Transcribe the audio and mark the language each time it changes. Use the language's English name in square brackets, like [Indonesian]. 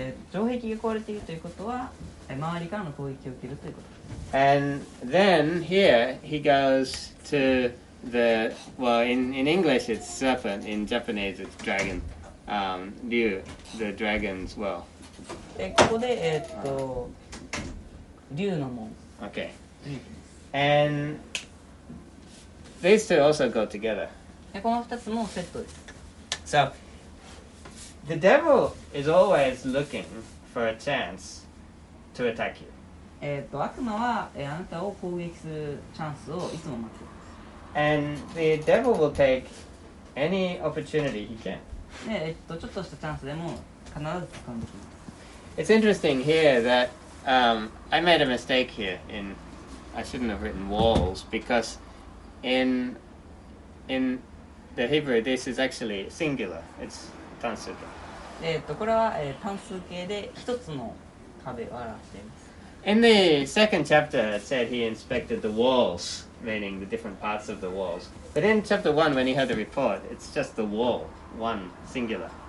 [Japanese] 城壁が壊れているということは、周りからの攻撃を受けるということです。 [English] And then here he goes to... In English it's serpent, in Japanese it's dragon, ryu, the dragon's well. Okay. And these two also go together. So, the devil is always looking for a chance to attack you. [Japanese] 悪魔は、あなたを攻撃するチャンスをいつも待つ。 [English] And the devil will take any opportunity he can. [Japanese] ちょっとしたチャンスでも必ず掴んできます。 [English] It's interesting here that I made a mistake here. I shouldn't have written walls because in the Hebrew this is actually singular. It's 単数形。 [Japanese] これは単数形で一つの壁を表しています。 [English] In the second chapter, it said he inspected the walls. Meaning the different parts of the walls. But in chapter 1, when he heard the report, it's just the wall, one, singular.